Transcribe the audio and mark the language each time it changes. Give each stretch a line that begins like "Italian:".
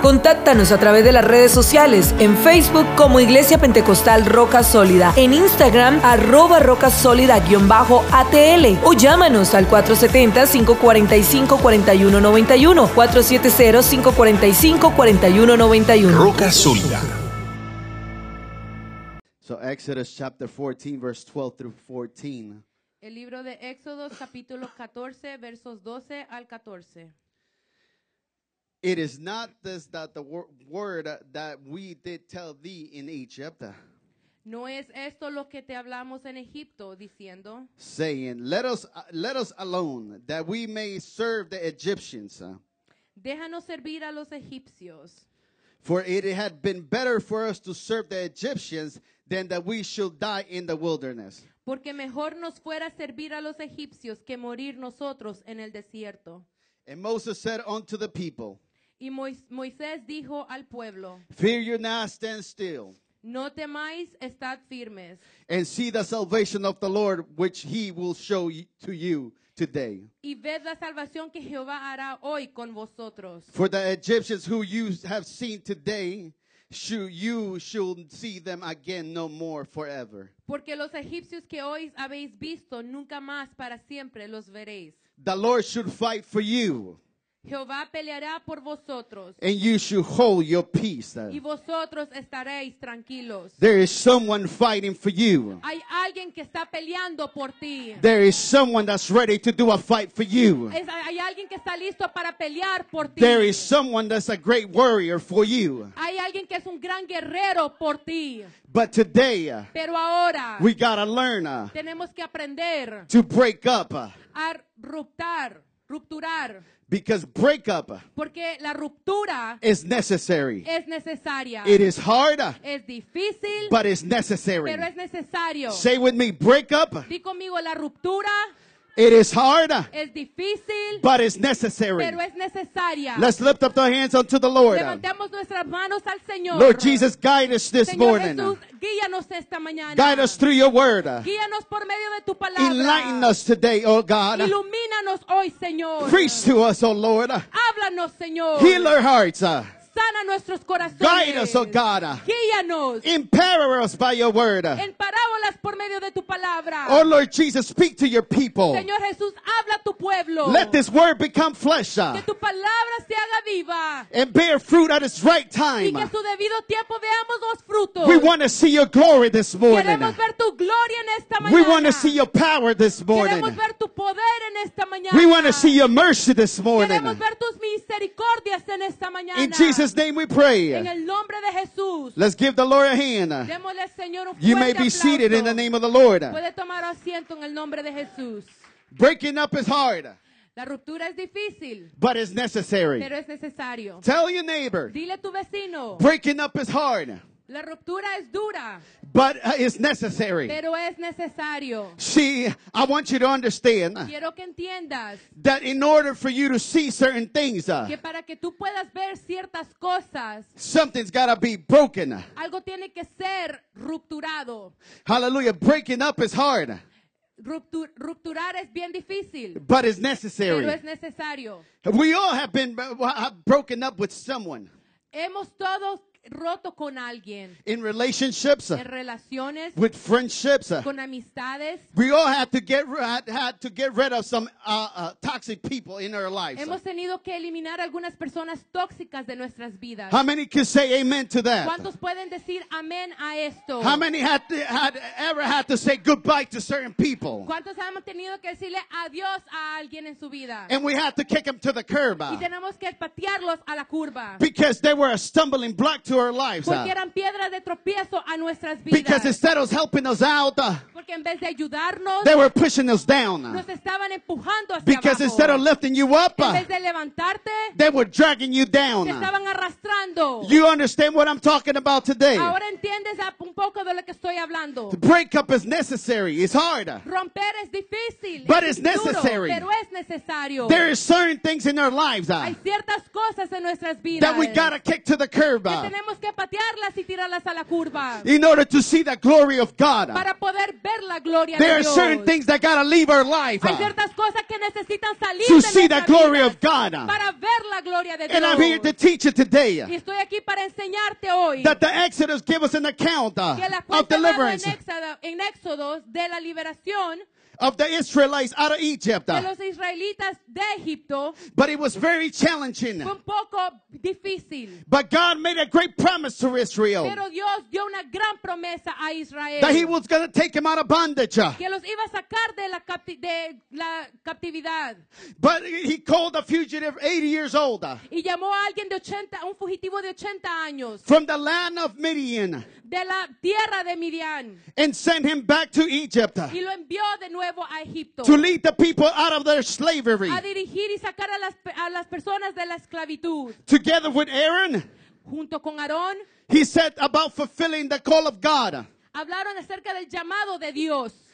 Spanish: Contáctanos a través de las redes sociales, en Facebook como Iglesia Pentecostal Roca Sólida, en Instagram @rocasólida_ATL o llámanos al 470-545-4191, 470-545-4191. Roca Sólida.
English: So Exodus chapter 14, verse 12 through 14.
Spanish: El libro de Éxodo, capítulo 14, versos 12 al 14.
English: It is not this that the word that we did tell thee in Egypt.
Spanish: No es esto lo que te hablamos en Egipto, diciendo.
English: Saying, let us alone, that we may serve the Egyptians.
Spanish: Déjanos servir a los egipcios.
English: For it had been better for us to serve the Egyptians than that we should die in the wilderness.
Spanish: Porque mejor nos fuera servir a los egipcios que morir nosotros en el desierto.
English: And Moses said unto the people,
Spanish: y Moisés dijo al pueblo,
English: fear you not, stand still.
Spanish: No temáis, estad firmes.
English: And see the salvation of the Lord, which he will show to you today.
Spanish: Y ved la salvación que Jehová hará hoy con vosotros.
English: For the Egyptians who you have seen today, you should see them again no more forever.
Spanish: Porque los egipcios que hoy habéis visto nunca más para siempre los veréis.
English: The Lord should fight for you.
Spanish: Jehová peleará por vosotros.
English: And you should hold your peace.
Spanish: Y vosotros estaréis tranquilos.
English: There is someone fighting for you.
Spanish: Hay alguien que está peleando por ti.
English: There is someone that's ready to do a fight for you.
Spanish: Hay alguien que está listo para pelear por ti.
English: There is someone that's a great warrior for you.
Spanish: Hay alguien que es un gran guerrero por ti.
English: But today,
Spanish: pero ahora,
English: we gotta learn,
Spanish: tenemos que aprender,
English: to break up,
Spanish: a ruptar. Rupturar.
English: Because breakup,
Spanish: porque la ruptura,
English: is necessary.
Spanish: Es necesaria.
English: It is hard,
Spanish: es difícil,
English: but it's necessary.
Spanish: Pero es necesario.
English: Say with me, breakup.
Spanish: Di conmigo, la ruptura.
English: It is hard,
Spanish: es difícil,
English: but it's necessary.
Spanish: Pero es necesaria.
English: Let's lift up our hands unto the Lord.
Spanish: Levantemos nuestras manos al Señor.
English: Lord Jesus, guide us this
Spanish: Señor
English: morning.
Spanish: Jesús, guíanos esta mañana.
English: Guide us through your word.
Spanish: Guíanos por medio de tu palabra.
English: Enlighten us today, oh God.
Spanish: Ilumínanos hoy, Señor.
English: Preach to us, oh Lord.
Spanish: Háblanos, Señor.
English: Heal our hearts.
Spanish: Sana nuestros corazones.
English: Guide us, oh God.
Spanish: Guíanos.
English: Empower us by your word.
Spanish: En parábolas por medio de tu palabra.
English: Oh Lord Jesus, speak to your people.
Spanish: Señor Jesús, habla a tu pueblo.
English: Let this word become flesh.
Spanish: Que tu palabra se haga viva.
English: And bear fruit at its right time.
Spanish: Y que su debido tiempo veamos los frutos.
English: We want to see your glory this morning.
Spanish: Queremos ver tu gloria en esta mañana.
English: We want to see your power this morning.
Spanish: Queremos ver tu poder en esta mañana.
English: We want to see your mercy this morning.
Spanish: Queremos ver tus misericordias en esta mañana.
English: In Jesus' name we pray.
Spanish: En el nombre de Jesús.
English: Let's give the Lord a hand.
Spanish: Démosle, Señor, un fuerte
English: you may be
Spanish: aplauso.
English: Seated in the name of the Lord.
Spanish: Puede tomar asiento en el nombre de Jesús.
English: Breaking up is hard.
Spanish: La ruptura es difícil,
English: but it's necessary.
Spanish: Pero es necesario.
English: Tell your neighbor.
Spanish: Dile a tu vecino.
English: Breaking up is hard.
Spanish: La ruptura es dura,
English: but it's necessary.
Spanish: Pero es necesario.
English: See, I want you to understand,
Spanish: quiero que entiendas,
English: that in order for you to see certain things,
Spanish: que para que tú puedas ver ciertas cosas,
English: something's got to be broken.
Spanish: Algo tiene que ser rupturado.
English: Hallelujah. Breaking up is hard.
Spanish: Rupturar es bien difícil,
English: but it's necessary.
Spanish: Pero es necesario.
English: We all have been broken up with someone.
Spanish: Hemos todos roto con alguien.
English: In relationships,
Spanish: en relaciones,
English: with friendships,
Spanish: con amistades,
English: we all had to get rid of some toxic people in our lives.
Spanish: Hemos tenido que eliminar algunas personas tóxicas de nuestras vidas.
English: How many can say amen to that?
Spanish: ¿Cuántos pueden decir amén a esto?
English: How many had to say goodbye to certain people?
Spanish: ¿Cuántos hemos tenido que decirle adiós a alguien en su vida?
English: And we had to kick them to the curb.
Spanish: Y tenemos que patearlos a la curva.
English: Because they were a stumbling block to our lives.
Spanish: Porque eran piedras de tropiezo a nuestras vidas.
English: Because instead of helping us out,
Spanish: porque en vez de ayudarnos,
English: they were pushing us down.
Spanish: Nos estaban empujando hacia
English: because
Spanish: abajo.
English: Instead of lifting you up,
Spanish: en vez de levantarte,
English: they were dragging you down.
Spanish: Te estaban arrastrando.
English: You understand what I'm talking about today?
Spanish: Ahora entiendes un poco de lo que estoy hablando.
English: The breakup is necessary. It's hard.
Spanish: Romper es difícil.
English: But it's necessary.
Spanish: Pero es necesario.
English: There are certain things in our lives,
Spanish: hay ciertas cosas en nuestras vidas,
English: that we gotta kick to the curb.
Spanish: Que tenemos que patearlas y tirarlas a la curva.
English: In order to see the glory of God.
Spanish: Para poder ver la gloria de Dios.
English: There are certain things that gotta leave our life.
Spanish: Hay ciertas cosas que necesitan salir
English: to see the glory of God.
Spanish: Para ver la gloria de Dios.
English: And I'm here to teach you today.
Spanish: Y estoy aquí para enseñarte hoy.
English: That the Exodus give us an account of deliverance.
Spanish: Que la cuesta dada en Éxodos de la liberación.
English: Of the Israelites out of Egypt.
Spanish: De los israelitas de Egipto.
English: But it was very challenging.
Spanish: Fue un poco difícil.
English: But God made a great promise to Israel.
Spanish: Pero Dios dio una gran promesa a Israel.
English: That he was going to take him out of bondage.
Spanish: Que los iba a sacar de la captividad.
English: But he called a fugitive 80 years old.
Spanish: Y llamó a alguien de 80, un fugitivo de 80 años.
English: From the land of Midian.
Spanish: De la tierra de Midian.
English: And sent him back to Egypt.
Spanish: Y lo envió de nuevo a Egipto.
English: To lead the people out of their slavery.
Spanish: A dirigir y sacar a las personas de la esclavitud.
English: Together with Aaron.
Spanish: Junto con Aarón.
English: He said about fulfilling the call of God.
Spanish: Hablaron acerca del llamado de Dios.